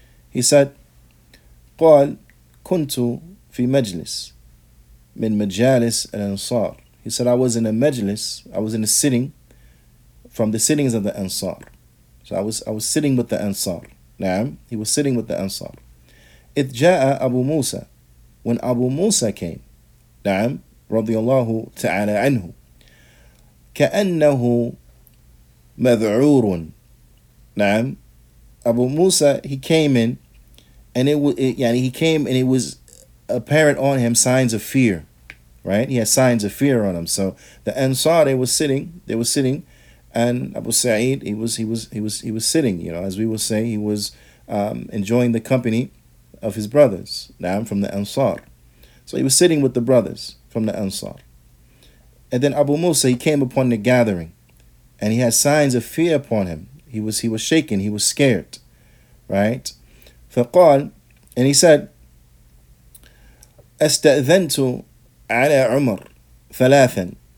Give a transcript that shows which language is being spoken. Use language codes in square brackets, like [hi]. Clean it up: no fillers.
[en] He said, [ar] قال كنت في مجلس من مجالس الأنصار. [en] He said, I was in a majlis, I was in a sitting from the sittings of the Ansar. So I was sitting with the Ansar. Naam, he was sitting with the Ansar. [ar] إذ جاء [en] Abu Musa, when Abu Musa came, Naam, radiyallahu ta'ala anhu, [ar] كأنه مذعور. [en] Naam, Abu Musa, he came in, and it was apparent on him signs of fear. Right? He has signs of fear on him. So the Ansar, they were sitting, and Abu Sa'id, he was sitting, you know, as we will say, he was enjoying the company of his brothers, Naam, from the Ansar. So he was sitting with the brothers from the Ansar. And then Abu Musa, he came upon the gathering, and he had signs of fear upon him. He was shaken, he was scared, right? [ar] فقال, [en] and he said, [ar] أستأذنتُ على عمر ثلاثا.